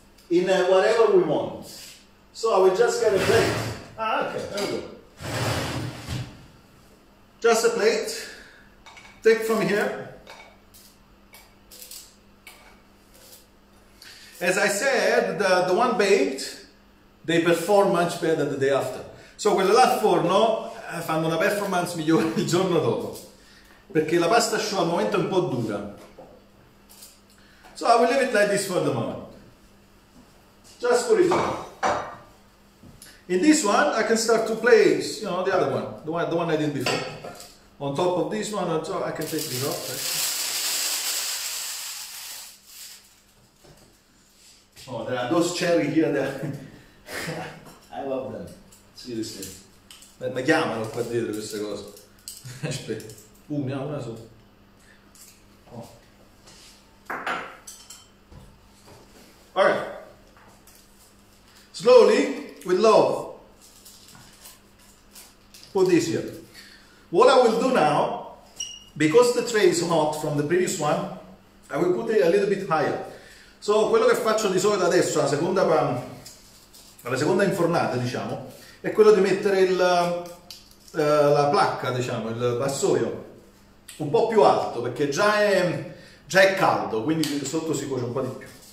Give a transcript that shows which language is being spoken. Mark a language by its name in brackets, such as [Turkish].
[English] In whatever we want. So I will just get a plate. Just a plate. Take from here. As I said, the one baked, they perform much better the day after. [Italian] So quella là al forno fanno una performance migliore il giorno dopo. Perché la pasta asciuga al momento è un po' dura. [English] So I will leave it like this for the moment. Just put it on. In this one, I can start to place, you know, the other one. The one I did before. On top of this one, so I can take this off. Right? Oh, there are those cherry here. There. I love them. Seriously. [Italian] Ma chiamano qua dietro queste cose. Aspetta. Mi ha una sola. Oh. [English] All right. Slowly, with love. Put this here. What I will do now, because the tray is hot from the previous one, I will put it a little bit higher. [Italian] So, quello che faccio di solito adesso, alla seconda infornata, diciamo, è quello di mettere la placca, diciamo, il vassoio, un po' più alto, perché già è caldo, quindi sotto si cuoce un po' di più.